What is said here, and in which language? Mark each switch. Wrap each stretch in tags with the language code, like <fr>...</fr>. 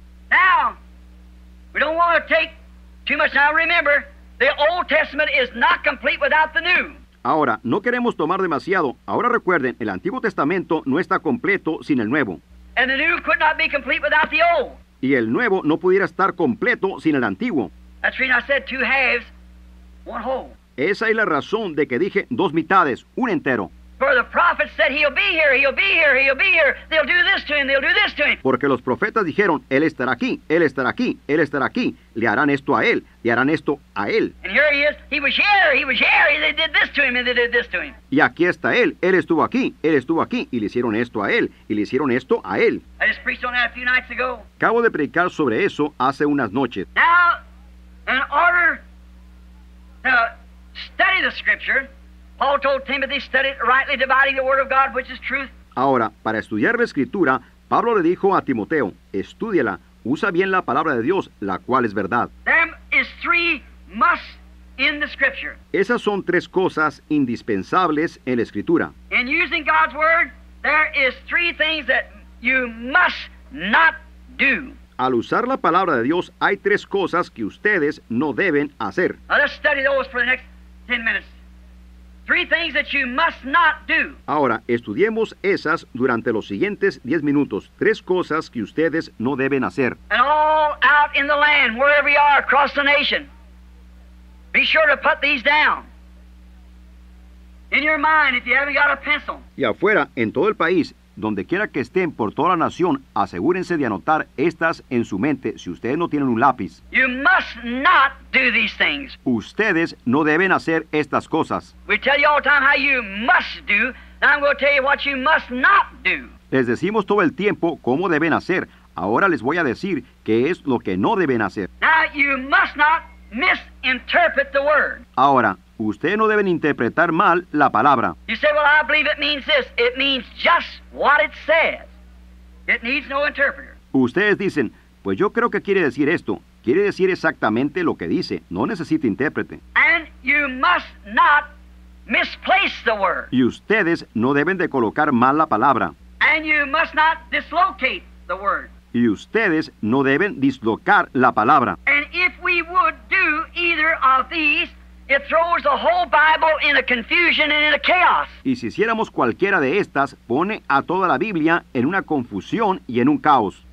<en>Now, we don't want to take too much time. Remember, the Old Testament is not complete without the New.</en> <es>Ahora, no queremos tomar demasiado. Ahora recuerden, el Antiguo Testamento no está completo sin el Nuevo.</es> <en>And the New could not be complete without the Old.</en> <es>Y el Nuevo no pudiera estar completo sin el Antiguo.</es> <en>That's why I said two halves, one whole.</en> <es>Esa es la razón de que dije dos mitades, un entero.</es> <en>For the prophet said he'll be here, he'll be here, he'll be here. They'll do this to him, they'll do this to him.</en> <es>Porque los profetas dijeron, él estará aquí, él estará aquí, él estará aquí. Le harán esto a él, le harán esto a él.</es> <en>And here he is, he was here, he was here. They did this to him and they did this to him.</en> <es>Y aquí está él estuvo aquí y le hicieron esto a él y le hicieron esto a él.</es> <en>I just preached on that a few nights ago.</en> <es>Acabo de predicar sobre eso hace unas noches.</es> <en>Now, in order to study the scripture, Paul told Timothy, study it, rightly dividing the word of God, which is truth.</en> <es>Ahora, para estudiar la escritura, Pablo le dijo a Timoteo, estúdiala, usa bien la palabra de Dios, la cual es verdad.</es> <en>There is three must in the scripture.</en> <es>Esas son tres cosas indispensables en la escritura.</es> <en>In using God's word, there is three things that you must not do.</en> <es>Al usar la palabra de Dios, hay tres cosas que ustedes no deben hacer.</es> <en>Now, let's study those for the next 10 minutes. Three things that you must not do.</en> <es>Ahora, estudiemos esas durante los siguientes 10 minutos. Tres cosas que ustedes no deben hacer.</es> <en>And all out in the land, wherever you are, across the nation, be sure to put these down. In your mind, if you haven't got a pencil.</en> <es>Y afuera, en todo el país, donde quiera que estén, por toda la nación, asegúrense de anotar estas en su mente, si ustedes no tienen un lápiz.</es> <en>You must not do these things.</en> <es>Ustedes no deben hacer estas cosas.</es> <en>We tell you all the time how you must do, now I'm going to tell you what you must not do.</en> <es>Les decimos todo el tiempo cómo deben hacer, ahora les voy a decir qué es lo que no deben hacer.</es> <en>Now you must not misinterpret the word.</en> <es>Ahora, ustedes no deben interpretar mal la palabra.</es> <en>You say, well, I believe it means this. It means just what it says. It needs no interpreter.</en> <es>Ustedes dicen, pues yo creo que quiere decir esto. Quiere decir exactamente lo que dice. No necesita intérprete.</es> <en>And you must not misplace the word.</en> <es>Y ustedes no deben de colocar mal la palabra.</es> <en>And you must not dislocate the word.</en> <es>Y ustedes no deben dislocar la palabra.</es> <en>And if we would do either of these, it throws the whole Bible in a confusion and in a chaos.</en> <es>Y si hiciéramos cualquiera de estas, pone a toda la Biblia en una confusión y en un caos.</es>